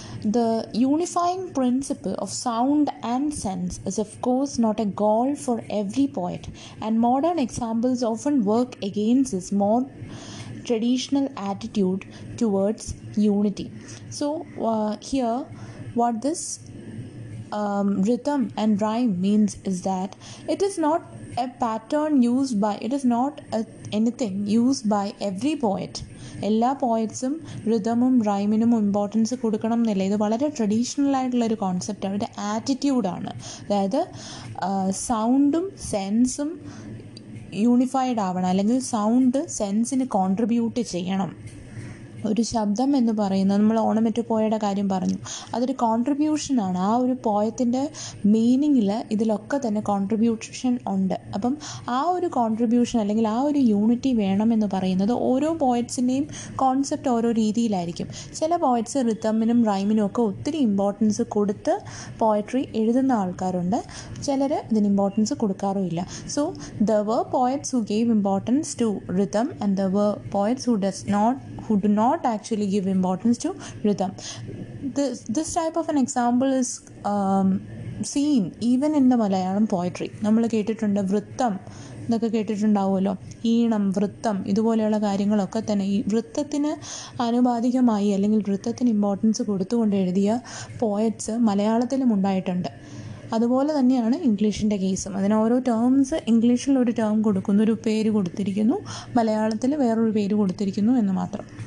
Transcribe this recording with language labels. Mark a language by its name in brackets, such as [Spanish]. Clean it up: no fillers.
[English] The unifying principle of sound and sense is of course not a goal for every poet, and modern examples often work against this more traditional attitude towards unity. So here what this rhythm and rhyme means is that it is not a pattern used by, it is not anything used by every poet. [Malayalam] എല്ലാ പോയറ്റ്സും റിതമും റൈമിനും importance കൊടുക്കണം എന്നില്ല. ഇത് വളരെ traditional ആയിട്ടുള്ള ഒരു കോൺസെപ്റ്റാണ്, ഒരു ആറ്റിറ്റ്യൂഡാണ്. അതായത് സൗണ്ടും സെൻസും യൂണിഫൈഡ് ആവണം, അല്ലെങ്കിൽ സൗണ്ട് സെൻസിന് കോൺട്രിബ്യൂട്ട് ചെയ്യണം. ഒരു ശബ്ദം എന്ന് പറയുന്നത്, നമ്മൾ ഓണമെറ്റ് പോയയുടെ കാര്യം പറഞ്ഞു, അതൊരു കോൺട്രിബ്യൂഷനാണ്. ആ ഒരു പോയത്തിൻ്റെ മീനിങ്ങിൽ ഇതിലൊക്കെ തന്നെ കോൺട്രിബ്യൂഷൻ ഉണ്ട്. അപ്പം ആ ഒരു കോൺട്രിബ്യൂഷൻ അല്ലെങ്കിൽ ആ ഒരു യൂണിറ്റി വേണമെന്ന് പറയുന്നത് ഓരോ പോയറ്റ്സിൻ്റെയും കോൺസെപ്റ്റ് ഓരോ രീതിയിലായിരിക്കും. ചില പോയറ്റ്സ് റിതമിനും റൈമിനും ഒക്കെ ഒത്തിരി ഇമ്പോർട്ടൻസ് കൊടുത്ത് പോയട്രി എഴുതുന്ന ആൾക്കാരുണ്ട്, ചിലർ ഇതിന് ഇമ്പോർട്ടൻസ് കൊടുക്കാറും ഇല്ല. [English] So the were poets who gave importance to rhythm and the were poets who does not who do not actually give importance to rhythm. This type of an example is seen even in the Malayalam poetry. [Malayalam] നമ്മൾ കേട്ടിട്ടുണ്ട് വൃത്തം എന്നൊക്കെ കേട്ടിട്ടുണ്ടാവുമല്ലോ, ഈണം വൃത്തം ഇതുപോലെയുള്ള കാര്യങ്ങളൊക്കെ തന്നെ ഈ വൃത്തത്തിന് ആനുപാതികമായി അല്ലെങ്കിൽ വൃത്തത്തിന് ഇമ്പോർട്ടൻസ് കൊടുത്തുകൊണ്ട് എഴുതിയ പോയറ്റ്സ് മലയാളത്തിലും ഉണ്ടായിട്ടുണ്ട്. അതുപോലെ തന്നെയാണ് ഇംഗ്ലീഷിൻ്റെ കേസും. അതിന് ഓരോ ടേംസ് ഇംഗ്ലീഷിൽ ഒരു ടേം കൊടുക്കുന്നു, ഒരു പേര് കൊടുത്തിരിക്കുന്നു, മലയാളത്തിൽ വേറൊരു പേര് കൊടുത്തിരിക്കുന്നു എന്ന് മാത്രം.